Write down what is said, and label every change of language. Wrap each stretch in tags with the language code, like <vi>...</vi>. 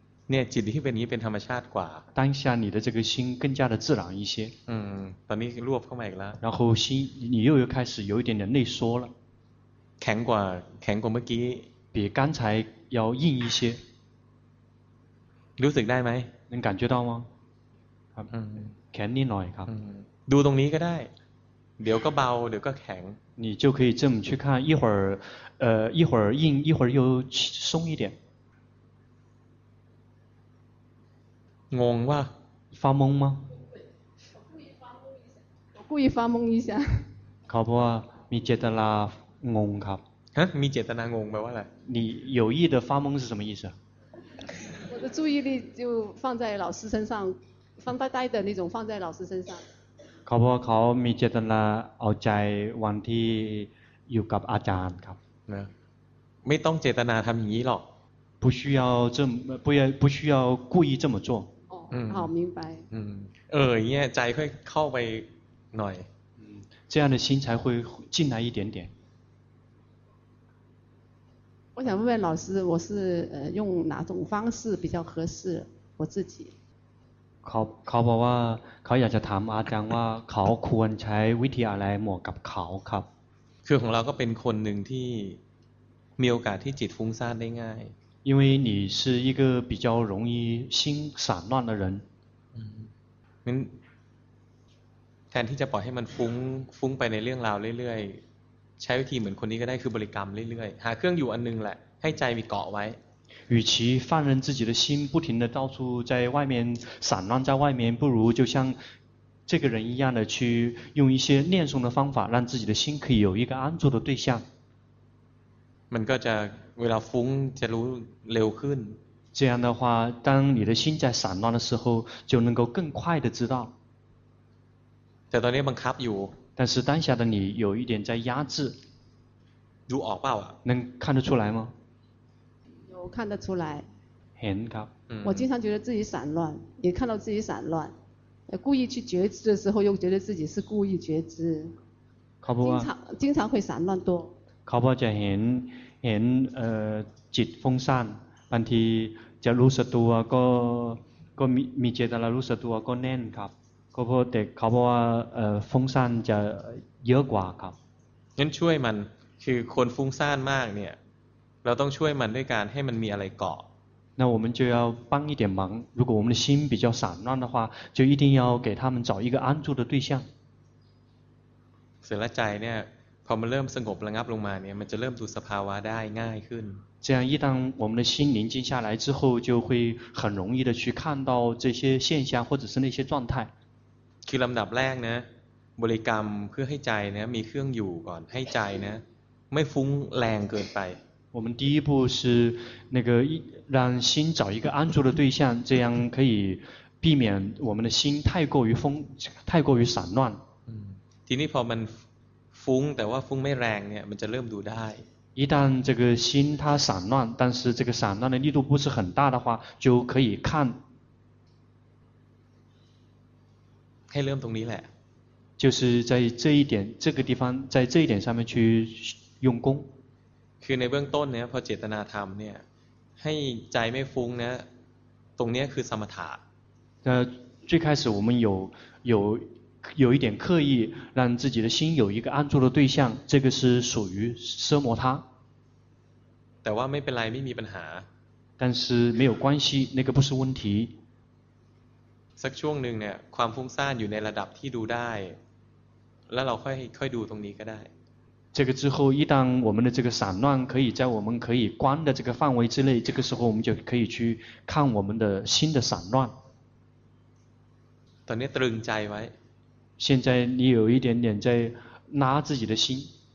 <th>เนี่ยจิตที่เป็นนี้เป็นธรรมชาติกว่า</th> <zh>当下你的这个心更加的自然一些</zh> <th>ตอนนี้รวบเข้ามาอีกแล้ว</th> <zh>然后心你又开始有一点点内缩了</zh> <th>แข็งกว่าเมื่อกี้</th> <zh>比刚才要硬一些</zh> <th>รู้สึกได้ไหม</th> <zh>能感觉到吗</zh> <th>ครับแข็งนิดหน่อยครับ ดูตรงนี้ก็ได้เดี๋ยวก็เบาเดี๋ยวก็แข็ง</th> <zh>你就可以这么去看一会儿一会儿硬一会儿又松一点</zh> <th>งงว่า</th> <zh>发懵吗故意发懵一下。</zh> <th>ครับว่ามีเจตนางงครับ ฮะมีเจตนางงแปลว่าอะไร</th> <zh>你有意的发懵是什么意思我的注意力就放在老师身上放呆呆的那种放在老师身上</zh> <th>ครับว่าเขามีเจตนาเอาใจวันที่อยู่กับอาจารย์ครับ นะไม่ต้องเจตนาทำอย่างนี้หรอก</th> <zh>不需要这么不需要故意这么做哦好明白</zh> <th>เออเงี้ยใจค่อยเข้าไปหน่อย</th> <zh>这样的心才会进来一点点我想问问老师我是用哪种方式比较合适我自己</zh> <th>เขาบอกว่าเขาอยากจะถามอาจารย์ว่าเขาควรใช้วิธีอะไรเหมาะกับเขาครับ คือของเราก็เป็นคนหนึ่งที่มีโอกาสที่จิตฟุ้งซ่านได้ง่าย</th> <zh>因为你是一个比较容易心散乱的人</zh> <th>แทนที่จะปล่อยให้มันฟุ้งไปในเรื่องราวเรื่อยๆใช้วิธีเหมือนคนนี้ก็ได้คือบริกรรมเรื่อยๆหาเครื่องอยู่อันนึงแหละให้ใจมีเกาะไว้</th> <zh>与其放任自己的心不停地到处在外面散乱在外面不如就像这个人一样的去用一些念诵的方法让自己的心可以有一个安住的对象</zh> <th>มันก็จะเวลาฟุ้งจะรู้เร็วขึ้น</th> <zh>这样的话当你的心在散乱的时候就能够更快地知道</zh> <th>แต่ตอนนี้บังคับอยู่</th> <zh>但是当下的你有一点在压制</zh> <th>รู้ออกเปล่า</th> <zh>能看得出来吗我看得出来很</zh> <th>ครับ</th> <zh>我经常觉得自己散乱也看到自己散乱故意去觉知的时候又觉得自己是故意觉知经常会散乱多</zh> <th>ครับจะเห็นจิตฟุ้งซ่านบางทีจะรู้สึกตัวก็มีเจตนารู้สึกตัวก็แน่นครับก็เพราะแต่ครับว่าฟุ้งซ่านจะเยอะกว่าครับ งั้นช่วยมันคือคนฟุ้งซ่านมากเนี่ยเราต้องช่วยมันด้วยการให้มันมีอะไรเกาะ</th> <zh>那我们就要帮一点忙如果我们的心比较散乱的话就一定要给他们找一个安住的对象</zh> <th>เสร็จแล้วใจเนี่ยพอมันเริ่มสงบระงับลงมาเนี่ยมันจะเริ่มดูสภาวะได้ง่ายขึ้น</th> <zh>这样一旦我们的心宁静下来之后就会很容易的去看到这些现象或者是那些状态</zh> <th>คือลำดับแรกนะบริกรรมเพื่อให้ใจนะมีเครื่องอยู่ก่อนให้ใจนะไม่ฟุ้งแรงเกินไป</th> <zh>我们第一步是那个让心找一个安住的对象，这样可以避免我们的心太过于散乱。嗯，</zh> <th>ทีนี้พอมันฟุ้งแต่ว่าฟุ้งไม่แรงเนี่ยมันจะเริ่มดูได้</th> <zh>一旦这个心它散乱，但是这个散乱的力度不是很大的话，就可以看。</zh> <th>ให้เริ่มตรงนี้แหละ</th> <zh>就是在这一点这个地方在这一点上面去用功。</zh> <th>คือในเบื้องต้นเนี่ยพอเจตนาธรรมเนี่ยให้ใจไม่ฟุ้งนะตรงนี้คือสมถะ</th> <zh>最开始我们有一点刻意让自己的心有一个安住的对象这个是属于奢摩他</zh> <th>แต่ว่าไม่เป็นไรไม่มีปัญหา</th> <zh>但是没有关系那个不是问题</zh> <th>สักช่วงนึงเนี่ยความฟุ้งซ่านอยู่ในระดับที่ดูได้แล้วเราค่อยดูตรงนี้ก็ได้</th> <zh>这个之后，一旦我们的这个散乱可以在我们可以观的这个范围之内，这个时候我们就可以去看我们的心的散乱。等你得定在位。现在你有一点点在拉自己的心。</zh>